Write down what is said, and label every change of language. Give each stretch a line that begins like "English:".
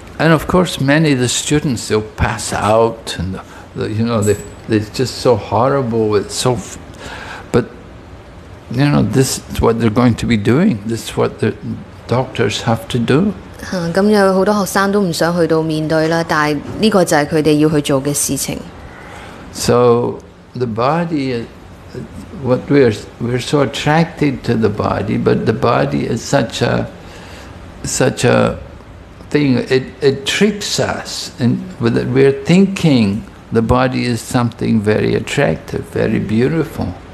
English: And of course many of the students they'll pass out and it's just so horrible it's so but you know this is what they're going to be doing this is what the doctors have to do
Chinese: 有很多學生都不想去到面對但這就是他們要去做的事情
English: So the body what we're so attracted to the body but the body is such a thing it tricks us and that we're thinking the body is something very attractive very beautiful